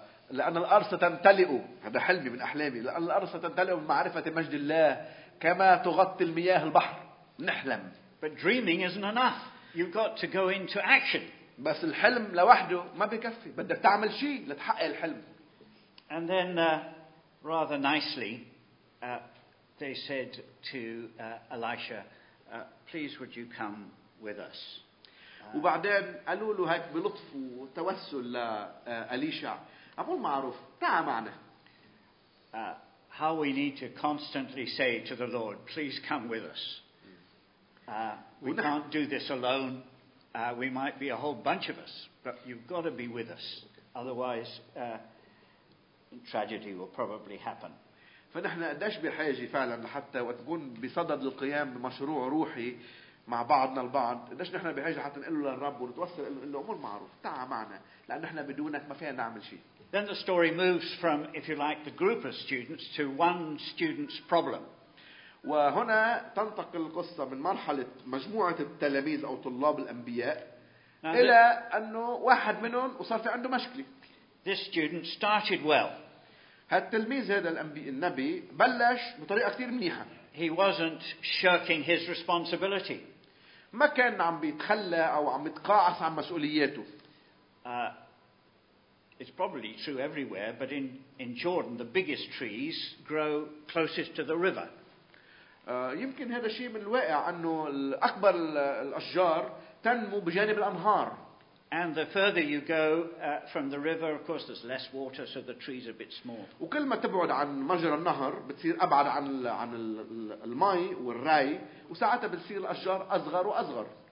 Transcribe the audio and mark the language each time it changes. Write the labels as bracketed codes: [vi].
[ar] لأن الأرض ستمتلئ هذا حلمي من أحلامي لأن الأرض ستمتلئ بمعرفة مجد الله كما تغطي المياه البحر. نحلم. [en] But dreaming isn't enough. You've got to go into action. [ar] بس الحلم لوحده ما بيكفي. بدك تعمل شيء لتحقق الحلم. [en] And then, rather nicely, they said to Elisha, "Please, would you come with us?" [ar] وبعدين قالوا له هيك بلطف وتوسل لإليشا. أقول معروف. تعا معنا. [en] How we need to constantly say to the Lord, "Please come with us." We can't do this alone. We might be a whole bunch of us, but you've got to be with us. Otherwise, tragedy will probably happen. [ar] فنحن قداش بحاجة فعلا حتى وتكون بصدد القيام بمشروع روحي مع بعضنا البعض. قداش نحن بحاجة حتى نقول للرب ونتوصل له أمور معروف. تعا معنا لأن نحن بدونك ما فينا نعمل شيء. [en] Then the story moves from, if you like, the group of students to one student's problem. [ar] وهنا تنتقل القصة من مرحلة مجموعة التلاميذ أو طلاب الأنبياء إلى أنه واحد منهم وصار في عنده مشكلة. [en] This student started well. [ar] هالتلميذ هذا النبي بلش بطريقة كتير منيحة. [en] He wasn't shirking his responsibility. [ar] ما كان عم بيتخلى أو عم يتقاعس عن مسؤولياته. [en] It's probably true everywhere, but in Jordan, the biggest trees grow closest to the river. [ar] يمكن هذا شيء من الواقع أنه الأكبر الأشجار تنمو بجانب الأنهار. [en] And the further you go from the river, of course, there's less water, so the trees are a bit small. [ar] وكل ما تبعد عن مجرى النهر بتصير أبعد عن الماي والري وساعتها بتصير الأشجار أصغر وأصغر.